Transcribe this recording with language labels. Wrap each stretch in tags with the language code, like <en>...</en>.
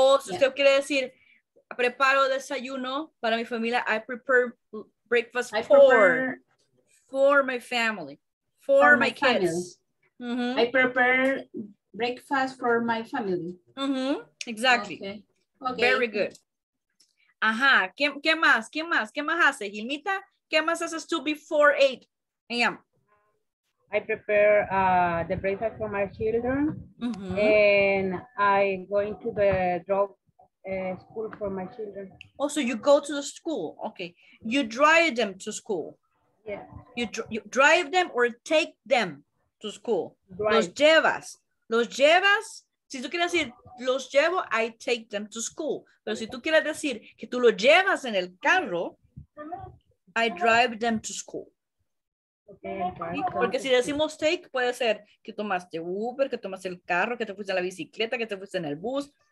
<es>O si usted quiere decir, preparo desayuno para mi familia,</es> <en>I prepare breakfast for my family, for my kids. Family. Mm-hmm. I prepare breakfast for my family.</en> <es>Mm-hmm.</es> <en>Exactly. Okay. Very good.</en> <es>Ajá. ¿Qué más? ¿Qué más? ¿Qué más hace? Gilmita, ¿qué más haces tú</es> <en>before 8 a.m.? I prepare the breakfast for my children, mm-hmm. and I go into the drop school for my children. Oh, so you go to the school, okay. You drive them to school. Yeah. You drive them or take them to school. Drive.</en> <es>Los llevas, si tú quieres decir los llevo,</es> <en>I take them to school.</en> <es>Pero si tú quieres decir que tú los llevas en el carro,</es> <en>I drive them to school. Okay,</en> <es>sí, porque si decimos take, puede ser que tomaste Uber, que tomaste el carro, que te fuiste a la bicicleta, que te fuiste en el bus.</es>